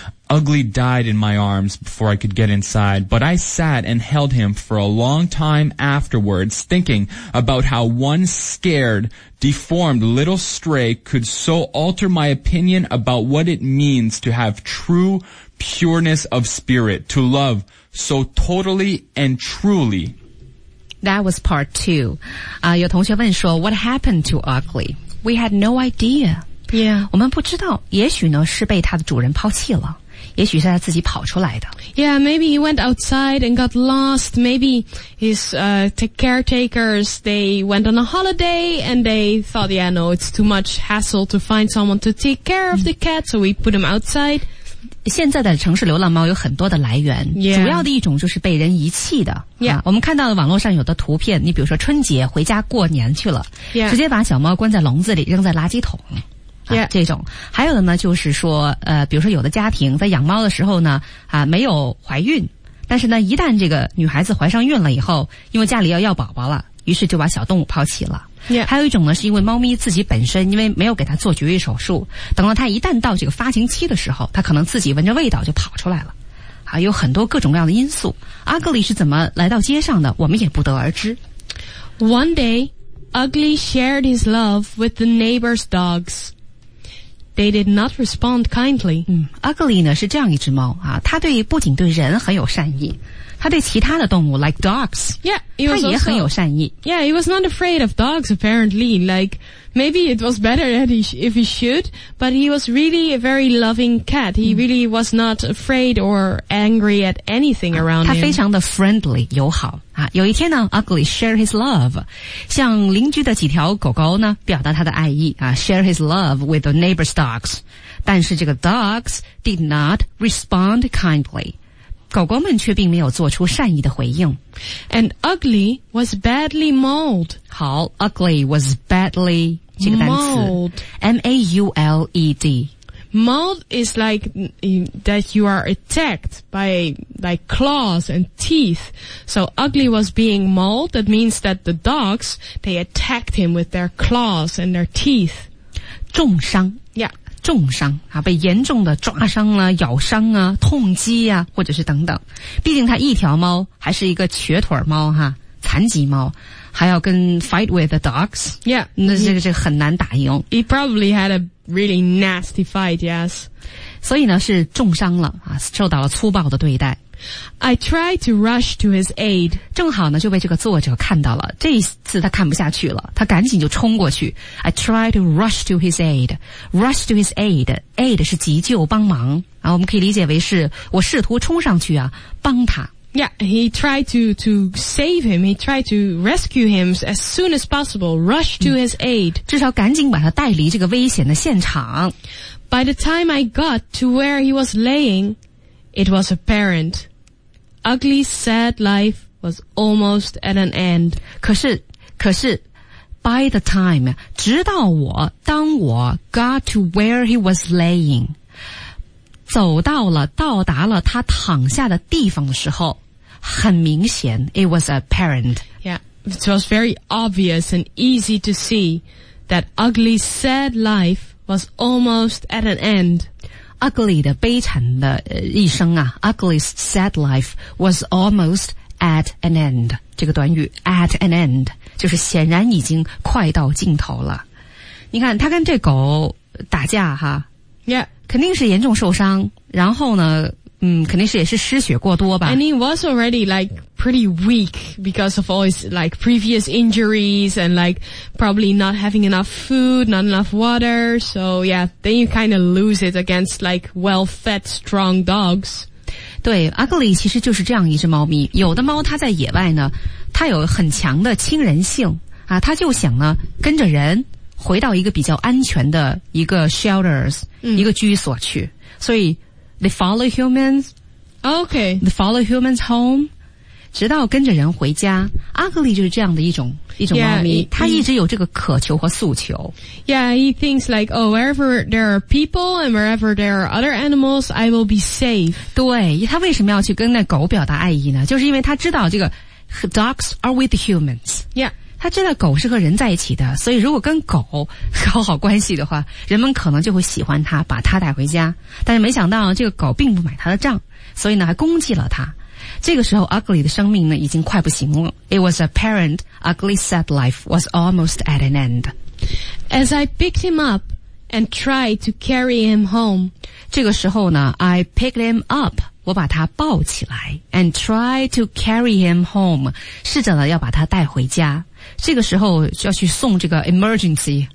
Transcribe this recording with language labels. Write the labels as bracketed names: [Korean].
[English] Ugly died in my arms before I could get inside, but I sat and held him for a long time afterwards, thinking about how one scared, deformed little stray could so alter my opinion about what it means to have true pureness of spirit, to love so totally and truly. That was part two. [Chinese] 有同学问说, [English] what happened to Ugly? We had no idea. Yeah. [Chinese] 我们不知道,也许呢,是被他的主人抛弃了。也许是他自己跑出来的。 [English] Yeah, maybe he went outside and got lost. Maybe his caretakers, they went on a holiday and they thought, yeah, no, it's too much hassle to find someone to take care of the cat, so we put him outside. [Chinese] 现在的城市流浪猫有很多的来源、 [English] yeah. [Chinese] 主要的一种就是被人遗弃的。 [English] Yeah. [Chinese] 我们看到的网络上有的图片，你比如说春节回家过年去了、 [English] yeah. [Chinese] 直接把小猫关在笼子里扔在垃圾桶。 [English] Yeah. [Chinese] 这种还有的呢就是说比如说有的家庭在养猫的时候呢没有怀孕，但是呢一旦这个女孩子怀上孕了以后，因为家里要宝宝了，于是就把小动物抛弃了、 [English] yeah. [Chinese] 还有一种呢是因为猫咪自己本身因为没有给它做绝育手术，等到它一旦到这个发情期的时候，它可能自己闻着味道就跑出来了，有很多各种各样的因素。 Ugly 是怎么来到街上的我们也不得而知。 [English] One day Ugly shared his love with the neighbor's dogsThey did not respond kindly. [Chinese] Ugly 呢是这样一只猫啊，它对不仅对人很有善意，它对其他的动物 [English] like dogs, yeah, also, [Chinese] 它也很有善意。 [English] Yeah, he was not afraid of dogs apparently. Like maybe it was better that if he should, but he was really a very loving cat. He really was not afraid or angry at anything around him. [Chinese] 它非常的 friendly 友好啊。有一天呢 ， [English] Ugly share his love, [Chinese] 向邻居的几条狗狗呢表达他的爱意啊 ， [English] share his love with the neighbor's dogs. [Chinese] 但是这个 [English] dogs did not respond kindly. [Chinese] 狗狗们却并没有做出善意的回应。 [English] And Ugly was badly mauled. [Chinese] 好 [English] ,Ugly was badly, [Chinese] 这个单词。 [English] Mauled. M-A-U-L-E-D. Mauled is like, that you are attacked by, like, claws and teeth. So Ugly was being mauled, that means that the dogs, they attacked him with their claws and their teeth. [Chinese] 重伤。 [English] Yeah. [Chinese] 重伤啊，被严重的抓伤啊，咬伤啊，痛击啊，或者是等等。毕竟它一条猫还是一个瘸腿猫哈，残疾猫，还要跟 [English] fight with the dogs。 Yeah, [Chinese] 那这个很难打赢。 [English] He probably had a really nasty fight, yes. [Chinese] 所以呢是重伤了啊，受到了粗暴的对待。 [English] I tried to rush to his aid. [Chinese] 正好呢就被这个作者看到了，这一次他看不下去了，他赶紧就冲过去。 [English] I tried to rush to his aid. Rush to his aid. [Chinese] Aid 是急救帮忙啊，我们可以理解为是我试图冲上去啊帮他。 [English] Yeah, he tried to save him. He tried to rescue him as soon as possible, rush to his aid. [Chinese] 至少赶紧把他带离这个危险的现场。 [English] By the time I got to where he was laying, it was apparent. Ugly, sad life was almost at an end. [Chinese] 可是 [English] by the time, [Chinese] 直到我当我 [English] got to where he was laying, [Chinese] 走到了到达了他躺下的地方的时候，很明显 [English] it was apparent. Yeah, it was very obvious and easy to see that ugly, sad life was almost at an end. Ugly [Chinese] 的悲惨的一生啊 [English] ,ugly, sad life was almost at an end. [Chinese] 这个短语 at an end, 就是显然已经快到尽头了。你看他跟这狗打架哈 [English] ,Yeah, [Chinese] 肯定是严重受伤，然后呢肯定是也是失血过多吧。 [English] And he was already like pretty weak because of all his like previous injuries and like probably not having enough food, not enough water. So yeah, then you kind of lose it against like well-fed, strong dogs. [Chinese] 对 ,Ugly 其实就是这样一只猫咪。有的猫它在野外呢它有很强的亲人性啊，它就想呢跟着人回到一个比较安全的一个 shelters,一个居所去。所以 [English] They follow humans. Okay. They follow humans home. [Chinese] 直到跟着人回家。 Ugly 就是这样的一种猫咪。 [English] Yeah, [Chinese] 他一直有这个渴求和诉求。 [English] Yeah, he thinks like, oh, wherever there are people and wherever there are other animals, I will be safe. [Chinese] 对，他为什么要去跟那狗表达爱意呢？就是因为他知道这个 [English] dogs are with humans. Yeah. [Chinese] 他知道狗是和人在一起的，所以如果跟狗搞好关系的话，人们可能就会喜欢他，把他带回家。但是没想到这个狗并不买他的账，所以呢还攻击了他。这个时候 Ugly 的生命呢已经快不行了。 [English] It was apparent Ugly's sad life was almost at an end. As I picked him up and tried to carry him home. [Chinese] 这个时候呢 [English] I picked him up. [Chinese] 我把他抱起来 [English] and try to carry him home, [Chinese] 试着了要把他带回家。这个时候就要去送这个 emergency.